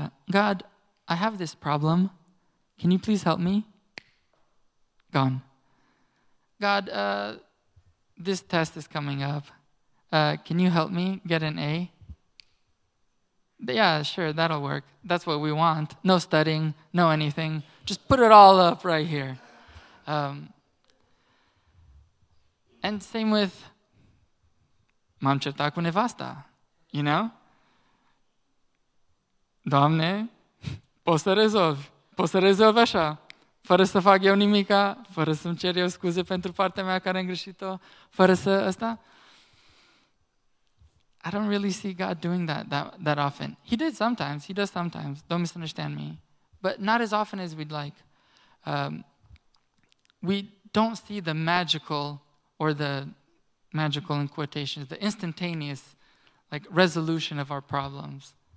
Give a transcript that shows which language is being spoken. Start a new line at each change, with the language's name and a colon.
English: God, I have this problem. Can you please help me? Gone. God, this test is coming up. Can you help me get an A? Yeah, sure, that'll work. That's what we want. No studying, no anything. Just put it all up right here. And same with
Romanian: m-am certat cu nevasta, Doamne, poți să rezolvi așa, fără să fac eu nimica, fără să-mi cer eu scuze pentru partea mea care am greșit-o, fără să ăsta.
English: I don't really see God doing that often. He did sometimes, he does sometimes, don't misunderstand me, but not as often as we'd like. We don't see the magical, or the magical in quotations, the instantaneous resolution of our problems.